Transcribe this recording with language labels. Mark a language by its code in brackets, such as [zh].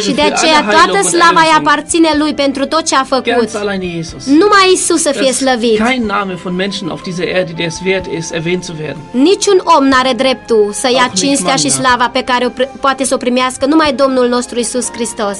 [ro] Și de aceea toată slava îi aparține lui pentru tot ce a făcut. [de] Ganz allein Jesus. [ro] Numai Iisus să fie slăvit. [de] Kein Name von Menschen auf dieser Erde, der es wert ist, erwähnt zu werden. [ro] Niciun om n-are dreptul să ia cinstea și slava pe care o poate să o primească numai Domnul nostru Iisus Hristos.